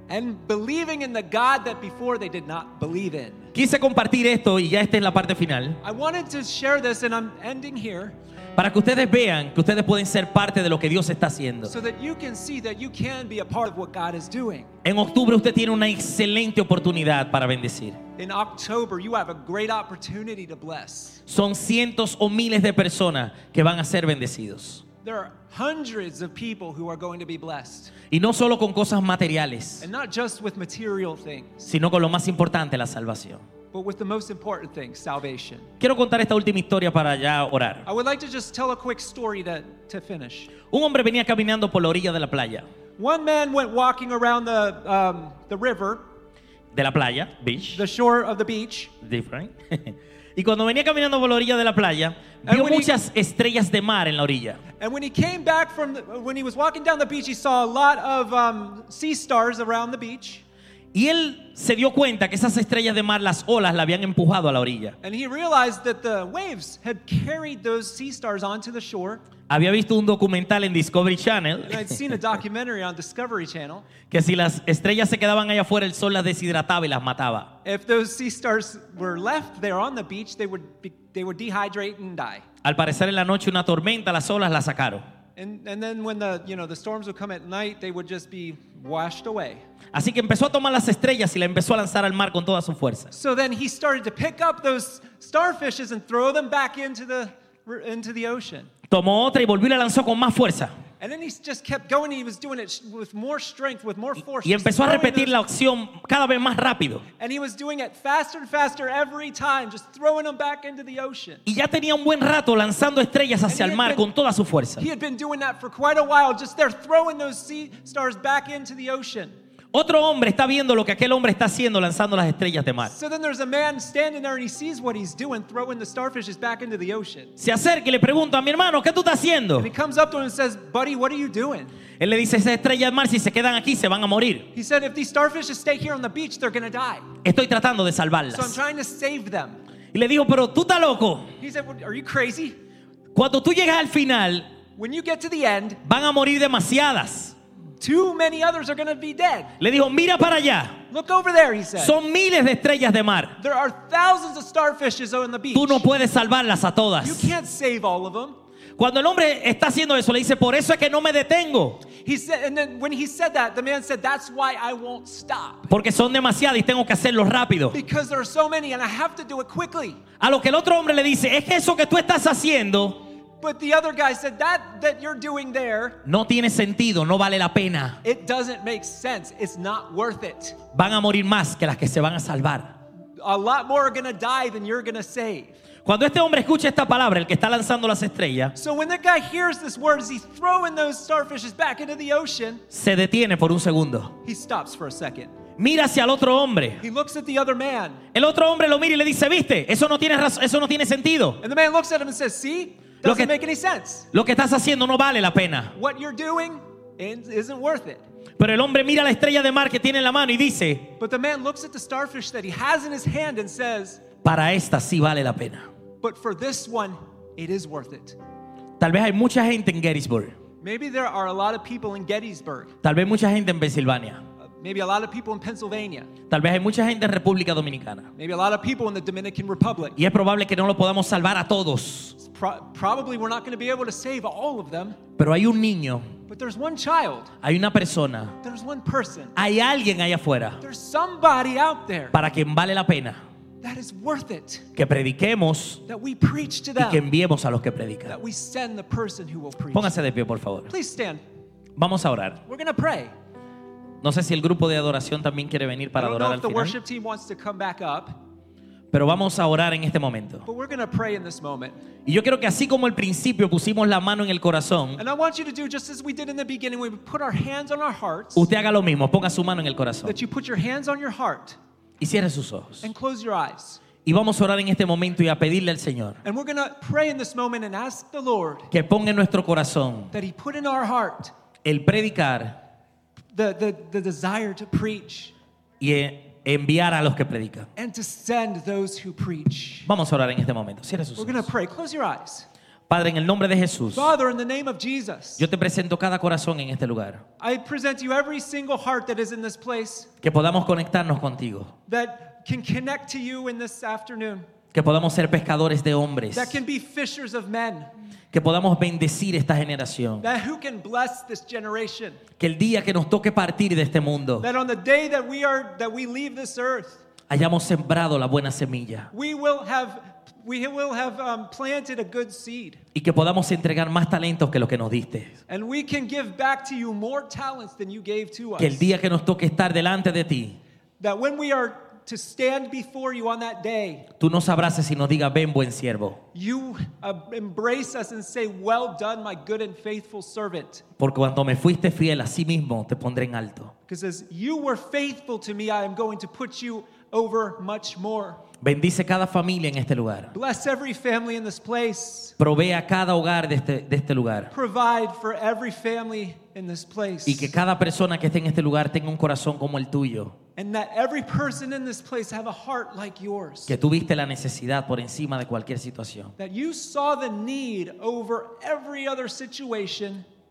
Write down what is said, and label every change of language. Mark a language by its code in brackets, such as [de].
[en] And believing in the God that before they did not believe in. [es] Quise compartir esto y ya esta es la parte final. [en] I wanted to share this and I'm ending here. [es] Para que ustedes vean que ustedes pueden ser parte de lo que Dios está haciendo. [en] So that you can see that you can be a part of what God is doing. [es] En octubre usted tiene una excelente oportunidad para bendecir. [en] In October you have a great opportunity to bless. [es] Son cientos o miles de personas que van a ser bendecidos. [en] There are hundreds of people who are going to be blessed. [es] Y no solo con cosas materiales. [en] And not just with material things. [es] Sino con lo más importante, la salvación. [en] But with the most important thing, salvation. [es] Quiero contar esta última historia para ya orar. [en] I would like to just tell a quick story to finish. [es] Un hombre venía caminando por la orilla de la playa. [en] One man went walking around the river. [es] De la playa, beach. [en] The shore of the beach. Different. [es] Y cuando venía caminando por la orilla de la playa, vio muchas estrellas de mar en la orilla. [en] And when he came back from when he was walking down the beach, he saw a lot of sea stars around the beach. [es] Y él se dio cuenta que esas estrellas de mar, las olas, la habían empujado a la orilla. [en] And he realized that the waves had carried those sea stars onto the shore. [es] Había visto un documental en Discovery Channel. [en] I'd seen a documentary on Discovery Channel. [es] Que si las estrellas se quedaban allá afuera, el sol las deshidrataba y las mataba. [en] If those sea stars were left there on the beach, they would dehydrate and die. [es] Al parecer en la noche una tormenta, las olas las sacaron. [en] And then when the storms would come at night, they would just be washed away. [es] Así que empezó a tomar las estrellas y la empezó a lanzar al mar con toda su fuerza. [en] So then he started to pick up those starfishes and throw them back into the ocean. [es] Tomó otra y volvió y la lanzó con más fuerza. [en] And then he just kept going. He was doing it with more strength, with more force. [es] Y empezó a repetir la acción cada vez más rápido. [en] And he was doing it faster and faster every time, just throwing them back into the ocean. [es] Y ya tenía un buen rato lanzando estrellas hacia el mar con toda su fuerza. [en] He had been doing that for quite a while, just there throwing those sea stars back into the ocean. [es] Otro hombre está viendo lo que aquel hombre está haciendo lanzando las estrellas de mar. [en] So then there's a man standing there and he sees what he's doing, throwing the starfishes back into the ocean. [es] Se acerca y le pregunta a mi hermano, ¿qué tú estás haciendo? [en] And he comes up to him and says, buddy, what are you doing? [es] Él le dice, esas estrellas de mar, si se quedan aquí, se van a morir. [en] He said, if these starfishes stay here on the beach, they're going to die. [es] Estoy tratando de salvarlas. [en] So I'm trying to save them. [es] Y le dijo, pero tú estás loco. [en] He said, are you crazy? [es] Cuando tú llegas al final, [en] when you get to the end, [es] van a morir demasiadas. [en] Too many others are going to be dead. [es] Le dijo, mira para allá. [en] Look over there, he said. [es] Son miles de estrellas de mar. [en] There are thousands of starfishes on the beach. [es] Tú no puedes salvarlas a todas. [en] You can't save all of them. [es] Cuando el hombre está haciendo eso, le dice, por eso es que no me detengo. [en] He said, and then when he said that, the man said, that's why I won't stop. [es] Porque son demasiadas y tengo que hacerlo rápido. [en] Because there are so many and I have to do it quickly. [es] A lo que el otro hombre le dice, es que eso que tú estás haciendo. [en] But the other guy said, that you're doing there, [es] no tiene sentido, no vale la pena. [en] It doesn't make sense. It's not worth it. [es] Van a morir más que las que se van a salvar. [en] A lot more are going to die than you're going to save. [es] Cuando este hombre escucha esta palabra, el que está lanzando las estrellas, [en] so when that guy hears this word as he's throwing those starfishes back into the ocean, [es] se detiene por un segundo. [en] He stops for a second. [es] Mira hacia el otro hombre. [en] He looks at the other man. [es] El otro hombre lo mira y le dice, ¿viste? Eso no tiene sentido. [en] And the man looks at him and says, see? Doesn't make any sense. [es] Lo que estás haciendo no vale la pena. [en] What you're doing isn't worth it. [es] Pero el hombre mira la estrella de mar que tiene en la mano y dice, [en] but the man looks at the starfish that he has in his hand and says, [es] para esta sí vale la pena. [en] But for this one, it is worth it. [es] Tal vez hay mucha gente en Gettysburg. [en] Maybe there are a lot of people in Gettysburg. [es] Tal vez mucha gente en Pensilvania. [en] Maybe a lot of people in Pennsylvania. [es] Tal vez hay mucha gente en República Dominicana. [en] Maybe a lot of people in the Dominican Republic. [es] Y es probable que no lo podamos salvar a todos. [en] Probably we're not going to be able to save all of them. [es] Pero hay un niño. [en] But there's one child. [es] Hay una persona. [en] There's one person. [es] Hay alguien allá afuera. [en] There's somebody out there. [es] Para quien vale la pena. [en] That is worth it. [es] Que prediquemos. [en] That we preach to them. [es] Y que enviemos a los que predican. [en] That we send the person who will preach. [es] Póngase de pie, por favor. [en] Please stand. [es] Vamos a orar. [en] We're going to pray. [es] No sé si el grupo de adoración también quiere venir para adorar al final. Pero vamos a orar en este momento. [en] But we're going to pray in this moment. [es] Y yo quiero que así como al principio pusimos la mano en el corazón, usted haga lo mismo, ponga su mano en el corazón. [en] That you put your hands on your heart. [es] Y cierre sus ojos. [en] And close your eyes. [es] Y vamos a orar en este momento y a pedirle al Señor. [en] And we're going to pray in this moment and ask the Lord. [es] Que ponga en nuestro corazón. [en] That he put in our heart. [es] El predicar. [en] The desire to preach. [es] Y enviar a los que predican. [en] And to send those who preach. [es] Vamos a orar en este momento. Cierra sus ojos. [en] We're going to pray. Close your eyes. [es] Padre, en el nombre de Jesús. [en] Father, in the name of Jesus. [es] Yo te presento cada corazón en este lugar. [en] I present you every single heart that is in this place. [es] Que podamos conectarnos contigo. [en] That can connect to you in this afternoon. [es] Que podamos ser pescadores de hombres. [en] That can be fishers of men. [es] Que podamos bendecir esta generación. [en] That who can bless this generation. [es] Que el día que nos toque partir de este mundo. [en] That on the day that we are, that we leave this earth. [es] Hayamos sembrado la buena semilla. [en] We will have planted a good seed. [es] Y que podamos entregar más talentos que los que nos diste. [en] And we can give back to you more talents than you gave to us. [es] Que el día que nos toque estar delante de ti. [en] That when we are to stand before you on that day. [es] Tú nos abraces y nos digas, ven buen siervo. [en] You embrace us and say, well done, my good and faithful servant. [es] Porque cuando me fuiste fiel, así mismo te pondré en alto. [en] Because as you were faithful to me, I am going to put you over much more. [es] Bendice cada familia en este lugar. [en] Bless every family in this place. [es] Provee a cada hogar de este lugar. [en] Provide for every family in this place. [es] Y que cada persona que esté en este lugar tenga un corazón como el tuyo. [en] And that every person in this place have a heart like yours. [es] Que tuviste la necesidad por encima de cualquier situación. [en] That you saw the need over every other situation.